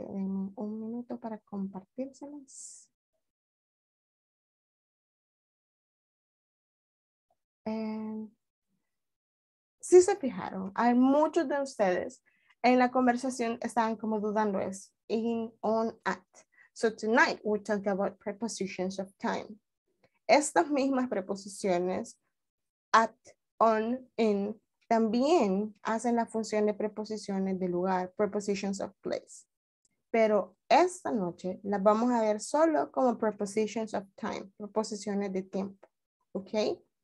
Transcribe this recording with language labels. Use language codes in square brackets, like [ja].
[es] Denme un minuto para compartírselos. Si se fijaron, hay muchos de ustedes en la conversación estaban como dudando es in, on, at. [en] So tonight we talk about prepositions of time. [es] Estas mismas preposiciones at, on, in, también hacen la función de preposiciones de lugar, [en] prepositions of place. [es] Pero esta noche las vamos a ver solo como [en] prepositions of time, [es] preposiciones de tiempo. Okay?